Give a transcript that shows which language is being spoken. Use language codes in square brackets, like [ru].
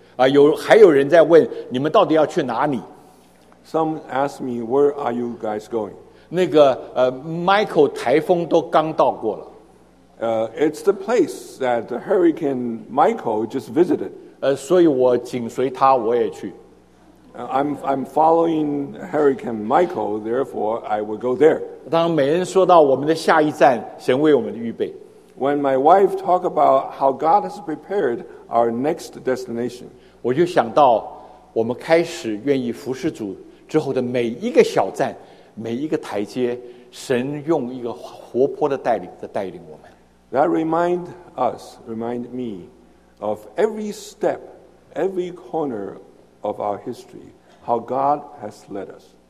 [zh] 啊，有还有人在问你们到底要去哪里 [en] ？Some ask me where are you guys going? [zh] 那个Michael 台风都刚到过了。 [en] It's the place that the hurricane Michael just visited. [zh] 所以我紧随他，我也去。 [en] I'm following Hurricane Michael, therefore I will go there. [zh] 当美恩说到我们的下一站，神为我们的预备。 [en] When my wife talked about how God has prepared our next destination, [zh] 我就想到我们开始愿意服侍主之后的每一个小站，每一个台阶，神用一个活泼的带领在带领我们。 [en] That remind me of every step, every corner. Of our history, how God has led us.